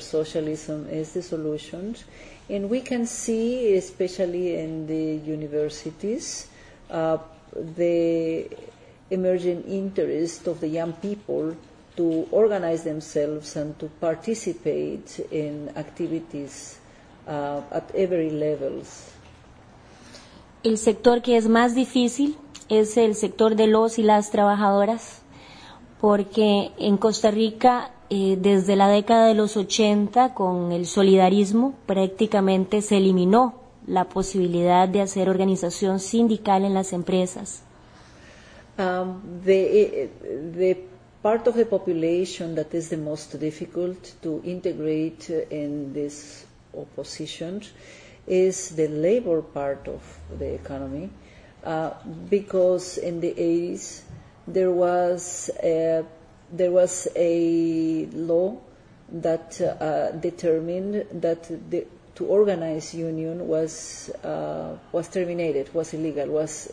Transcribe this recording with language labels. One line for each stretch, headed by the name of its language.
English: Socialism is the solution, and we can see, especially in the universities, the emerging interest of the young people to organize themselves and to participate in activities at every levels.
Spanish: El sector que es más difícil es el sector de los y las trabajadoras, porque en Costa Rica desde la década de los 80 con el solidarismo prácticamente se eliminó la posibilidad de hacer organización sindical en las empresas.
English: The part of the population that is the most difficult to integrate in this opposition is the labor part of the economy, because in the 80s there was a law that determined that to organize union was terminated, was illegal, was